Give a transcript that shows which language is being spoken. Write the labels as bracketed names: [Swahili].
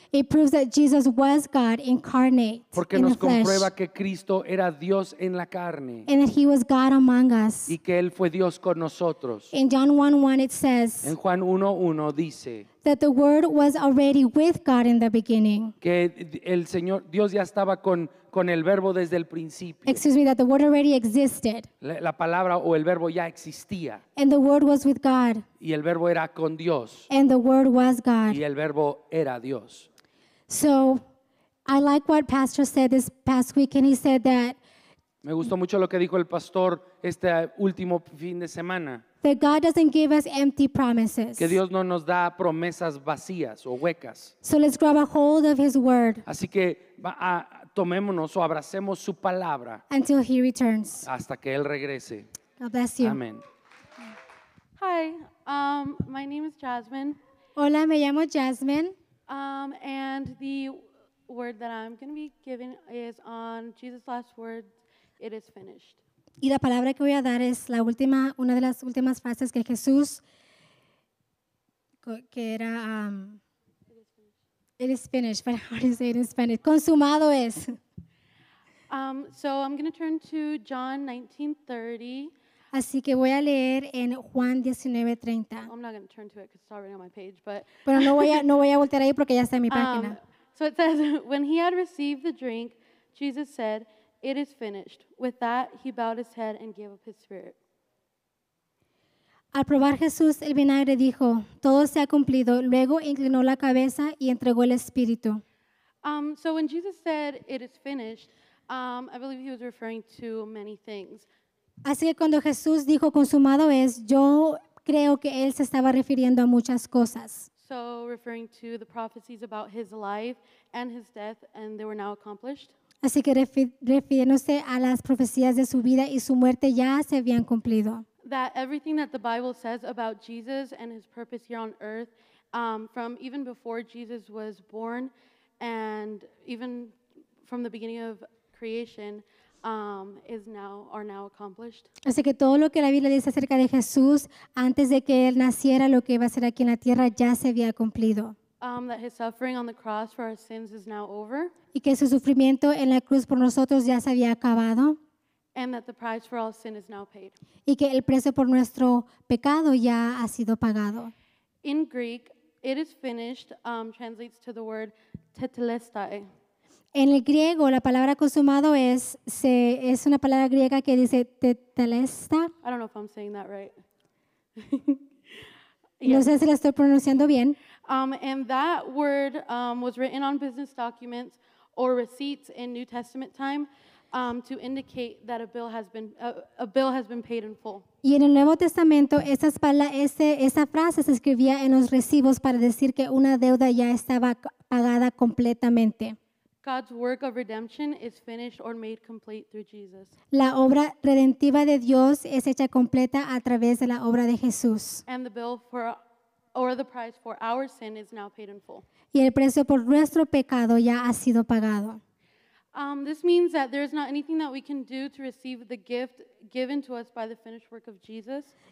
[English] it proves that Jesus was God incarnate in the flesh. [Spanish] Porque nos comprueba que Cristo era Dios en la carne. [English] And that he was God among us. [Spanish] Y que él fue Dios con nosotros. [English] In John 1:1 it says, [Spanish] en Juan 1:1 dice, [English] That the Word was already with God in the beginning. [Spanish] Que el Señor, Dios ya estaba con el Verbo desde el principio. [English] Excuse me, that the Word already existed. [Spanish] La palabra o el Verbo ya existía. [English] And the Word was with God. [Spanish] Y el Verbo era con Dios. [English] And the Word was God. [Spanish] Y el Verbo era Dios. [English] So, I like what Pastor said this past week, and he said that. [Spanish] Me gustó mucho lo que dijo el pastor este último fin de semana. [English] That God doesn't give us empty promises. [Spanish] Que Dios no nos da promesas vacías o huecas. [English] So let's grab a hold of His word. [Spanish] Así que tomémonos o abracemos su palabra. [English] Until He returns. [Spanish] Hasta que Él regrese. [English] God bless you. Amen. Hi, my name is Jasmine. [Spanish] Hola, me llamo Jasmine. [English] And the word that I'm going to be giving is on Jesus' last words, "It is finished." [Spanish] Y la palabra que voy a dar es la última, una de las últimas frases que Jesús, que era, [English] it is finished, but how do you say it is finished? [Spanish] Consumado es. [English] So I'm going to turn to John 19:30. [Spanish] Así que voy a leer en Juan 19:30. [English] I'm not going to turn to it because it's already on my page, but. [Spanish] Pero no voy a voltear ahí porque ya está en mi página. [English] So it says, "When he had received the drink, Jesus said, 'It is finished.' With that, he bowed his head and gave up his spirit." [Spanish] Al probar Jesús el vinagre dijo, "Todo se ha cumplido." Luego inclinó la cabeza y entregó el espíritu. [English] So when Jesus said, "It is finished," I believe he was referring to many things. [Spanish] Así que cuando Jesús dijo, "Consumado es," yo creo que él se estaba refiriendo a muchas cosas. [English] So referring to the prophecies about his life and his death, and they were now accomplished. [Spanish] Así que refiriéndose a las profecías de su vida y su muerte ya se habían cumplido. [English] That everything that the Bible says about Jesus and his purpose here on earth, from even before Jesus was born and even from the beginning of creation, are now accomplished. [Spanish] Así que todo lo que la Biblia dice acerca de Jesús antes de que él naciera, lo que iba a ser aquí en la tierra, ya se había cumplido. [English] That his suffering on the cross for our sins is now over. [Spanish] Y que su sufrimiento en la cruz por nosotros ya se había acabado. [English] And that the price for all sin is now paid. [Spanish] Y que el precio por nuestro pecado ya ha sido pagado. [English] In Greek, "it is finished" translates to the word tetelestai. [Spanish] En el griego, la palabra consumado es una palabra griega que dice tetelesta. [English] I don't know if I'm saying that right. [Spanish] No sé si la estoy pronunciando bien. [English] And that word was written on business documents or receipts in New Testament time to indicate that a bill has been paid in full. [Spanish] Y en el Nuevo Testamento esa frase se escribía en los recibos para decir que una deuda ya estaba pagada completamente. [English] God's work of redemption is finished or made complete through Jesus. [Spanish] La obra redentiva de Dios es hecha completa a través de la obra de Jesús. [English] And the bill for the price for our sin is now paid in full. [Spanish] Y el precio por nuestro pecado ya ha sido pagado. [English] This means that there is not anything that we can do to receive the gift given to us by the finished work of Jesus.